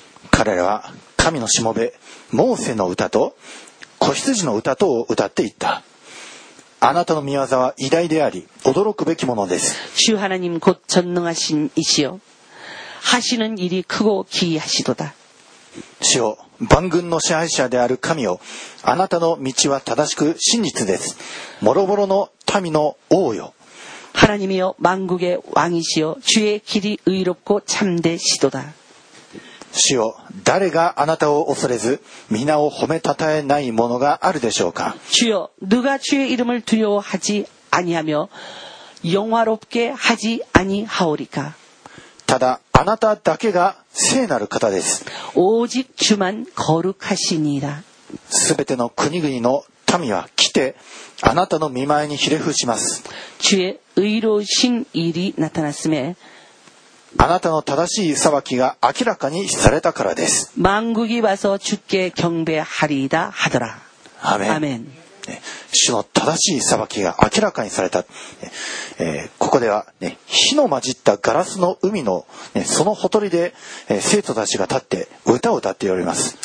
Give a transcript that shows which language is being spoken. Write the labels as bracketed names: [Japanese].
[Japanese] 彼らは神のしもべモーセの歌と子羊の歌とを歌っていったあなたの御業は偉大であり驚くべきものです [Korean] 主하나님곧전능하신이시요하시는일이크고기이하시도다 [Japanese] 主よ万軍の支配者である神よあなたの道は正しく真実です諸々の民の王よ [Korean] 하나님이요万国의왕이시요주의길이의롭고참되시도다 [Japanese] 主よ誰があなたを恐れず皆を褒めたたえないものがあるでしょうか [Korean] 주요누가주의이름을두려워하지아니하며영화롭게하지아니하오리까 [Japanese] ただあなただけが聖なる方です。 [Korean] 오직주만거룩하시니라。 [Japanese] すべての国々の民は来てあなたの御前にひれ伏します。 [Korean] 주의의로우신일이나타났음에 [Japanese] あなたの正しい裁きが明らかにされたからです。 [Korean] 만국이와서주께경배하리다하더라。 [Japanese] アーメン。アーメン。主の正しい裁きが明らかにされた、ここでは、ね、火の混じったガラスの海の、ね、そのほとりで、生徒たちが立って歌を歌っております